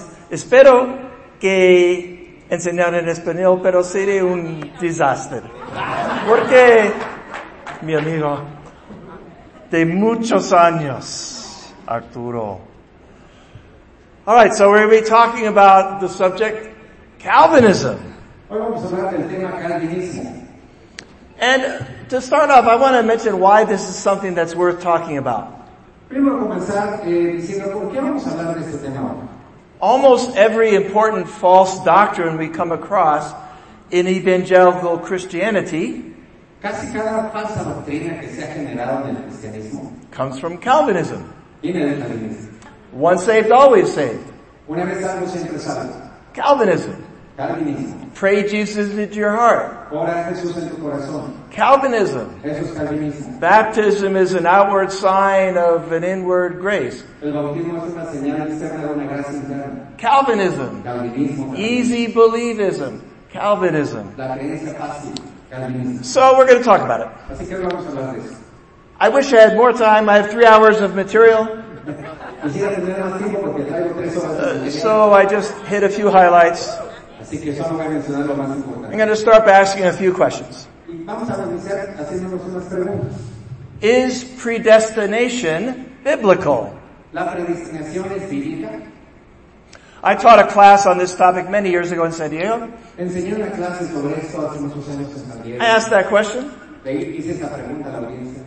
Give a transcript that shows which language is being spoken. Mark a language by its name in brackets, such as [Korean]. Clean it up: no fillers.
[Spanish] Espero que enseñar en español, pero sería un desastre. Porque, mi amigo, de muchos años, Arturo. [English] All right, so we're going to be talking about the subject Calvinism. [Spanish] Hoy vamos a hablar del tema Calvinismo. [English] And to start off, I want to mention why this is something that's worth talking about. [Spanish] Primero comenzar diciendo por qué vamos a hablar de este tema. [English] Almost every important false doctrine we come across in evangelical Christianity [Spanish] casi cada falsa doctrina que se ha generado en el cristianismo [English] comes from Calvinism. [Spanish] Viene del calvinismo. [English] Once saved, always saved. [Spanish] Una vez salvo, siempre salvo. [English] Calvinism. [Spanish] Calvinismo. [English] Pray Jesus into your heart. [Spanish] Ora Jesús en tu corazón. [English] Calvinism. [Spanish] Eso es calvinismo. [English] Baptism is an outward sign of an inward grace. [Spanish] El bautismo es una señal externa de una gracia interna. [English] Calvinism. [Spanish] Calvinismo. [English] Easy believism. Calvinism. [Spanish] La creencia fácil. Calvinismo. [English] So we're going to talk about it. [Spanish] Así que vamos a hablar de eso. [English] I wish I had more time. I have 3 hours of material. [Spanish] Quisiera tener más tiempo porque traigo 3 horas de material. [English] So I just hit a few highlights. [Spanish] Así que solo voy a mencionar lo más importante. [English] I'm going to start by asking a few questions. [Spanish] Vamos a iniciar haciéndonos unas preguntas. [English] Is predestination biblical? [Spanish] ¿La predestinación es bíblica? [English] I taught a class on this topic many years ago in San Diego. [Spanish] Enseñé una clase sobre esto hace muchos años en San Diego. [English] I asked that question. [Spanish] Hice esa pregunta a la audiencia.